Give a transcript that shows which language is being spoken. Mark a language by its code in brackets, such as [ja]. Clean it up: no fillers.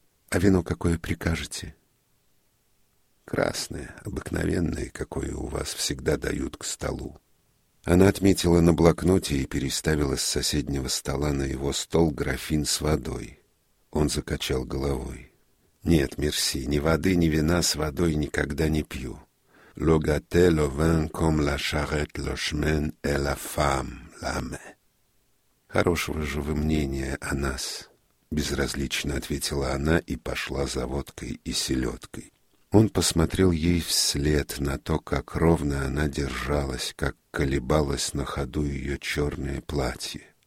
[ru] А вино какое прикажете?» «Красное, обыкновенное, какое у вас всегда дают к столу». Она отметила на блокноте и переставила с соседнего стола на его стол графин с водой. Он закачал головой. «Нет, мерси, ни воды, ни вина с водой никогда не пью. [fr] Le gâté, le vin, comme la charrette, le chemin et la femme, l'âme». [ru] «Хорошего же вы мнения о нас», — безразлично ответила она и пошла за водкой и селедкой. Он посмотрел ей вслед на то, как ровно она держалась, как колебалось на ходу ее черное платье.